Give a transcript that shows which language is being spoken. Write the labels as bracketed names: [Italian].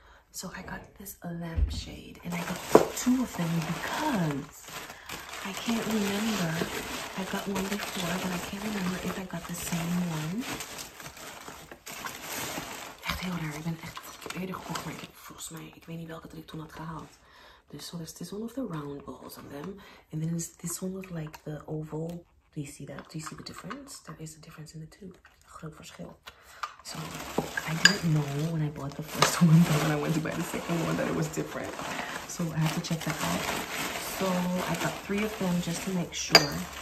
[English] So I got this lampshade. And I got two of them because I can't remember. I got one before, but I can't remember if I got the same one. [Dutch] Heel raar. Ik ben echt eerder gekocht, maar ik heb volgens mij, ik weet niet welke dat ik toen had gehaald. Dus [English] so there's this one of the round balls on them. And then is this one with like the oval. Do you see that? Do you see the difference? There is a difference in the two. [Dutch] Een groot verschil. [English] So I didn't know when I bought the first one, but when I went to buy the second one, that it was different. So I have to check that out. So I got three of them just to make sure.